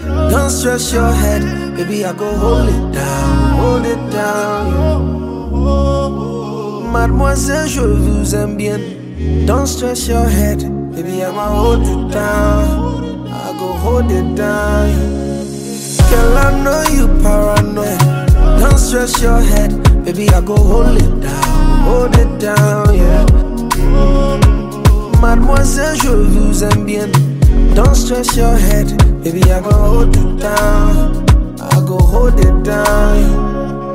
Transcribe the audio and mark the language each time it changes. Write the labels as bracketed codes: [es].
[en] Don't stress your head, baby, I go hold it down. Hold it down, [fr] Mademoiselle, je vous aime bien. [en] Don't stress your head, baby, I'ma hold it down. I go hold it down, Girl, I know you paranoid. Don't stress your head, baby, I go hold it down, yeah. [fr] Mademoiselle, je vous aime bien. [en] Don't stress your head, baby, I go hold it down. I go hold it down, yeah.